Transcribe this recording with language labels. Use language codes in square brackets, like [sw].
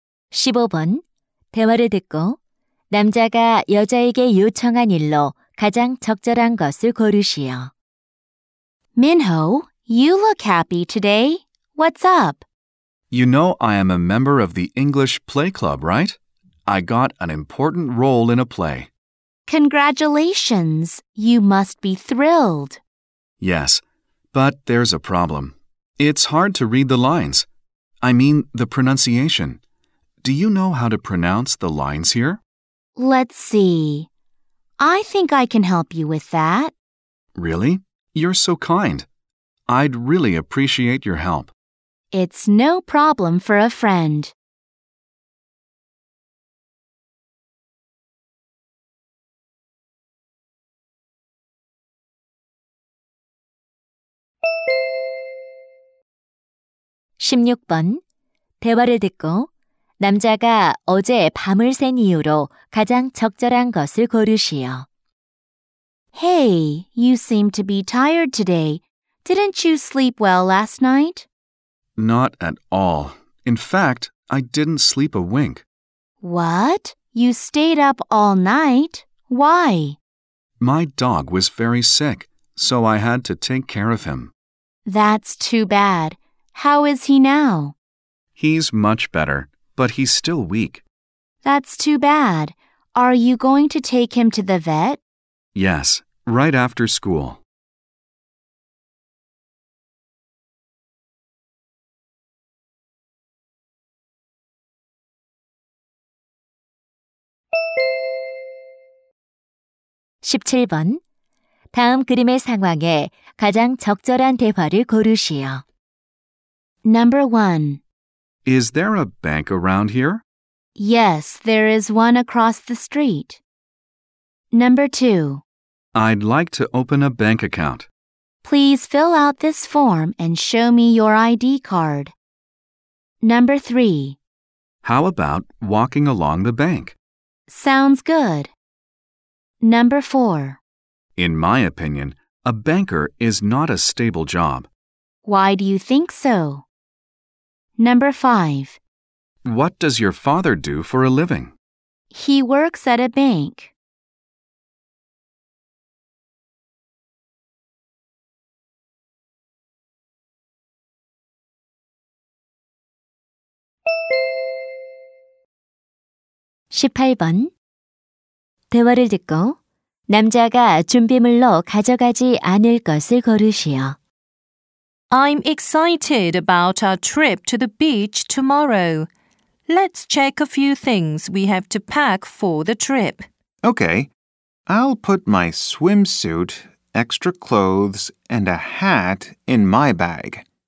[ko] 15번 대화를 듣고 남자가 여자에게 요청한 일로 가장 적절한 것을 고르시오. [en] Minho, you look happy today. What's up? You know I am a member of the English Play Club, right? I got an important role in a play. Congratulations. You must be thrilled. Yes, but there's a problem. It's hard to read the lines. I mean the pronunciation. Do you know how to pronounce the lines here? Let's see. I think I can help you with that. Really? You're so kind. I'd really appreciate your help. It's no problem for a friend. [ko] 16번 대화를 듣고 남자가 어제 밤을 샌 이유로 가장 적절한 것을 고르시오. [en] Hey, you seem to be tired today. Didn't you sleep well last night? Not at all. In fact, I didn't sleep a wink. What? You stayed up all night? Why? My dog was very sick, so I had to take care of him. That's too bad. How is he now? He's much better. But he's still weak. That's too bad. Are you going to take him to the vet? Yes, right after school. [ko] 17번 다음 그림의 상황에 가장 적절한 대화를 고르시오. [en] Number 1. Is there a bank around here? Yes, there is one across the street. Number 2. I'd like to open a bank account. Please fill out this form and show me your ID card. Number 3. How about walking along the bank? Sounds good. Number 4. In my opinion, a banker is not a stable job. Why do you think so? Number 5. What does your father do for a living? He works at a bank. [ko] 18번 대화를 듣고 남자가 준비물로 가져가지 않을 것을 고르시오. [en] I'm excited about our trip to the beach tomorrow. Let's check a few things we have to pack for the trip. Okay. I'll put my swimsuit, extra clothes, and a hat in my bag.